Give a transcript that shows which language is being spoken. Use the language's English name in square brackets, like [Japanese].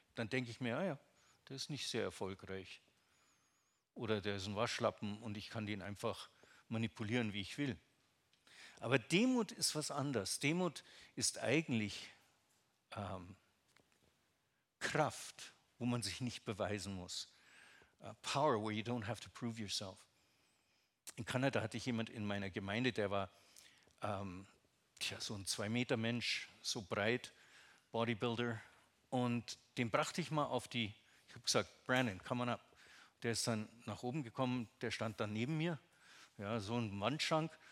[German] Dann denke ich mir, ah ja, der ist nicht sehr erfolgreich. Oder der ist ein Waschlappen und ich kann den einfach manipulieren, wie ich will. Aber Demut ist was anderes. Demut ist eigentlich Kraft, wo man sich nicht beweisen muss. [English] Power, where you don't have to prove yourself. [German] In Kanada hatte ich jemand in meiner Gemeinde, der war so ein 2-Meter-Mensch, so breit, Bodybuilder. Und den brachte ich mal auf die, ich habe gesagt, Brandon, [English] come on up. [German] Der ist dann nach oben gekommen, der stand dann neben mir, ja, so ein Wandschrank.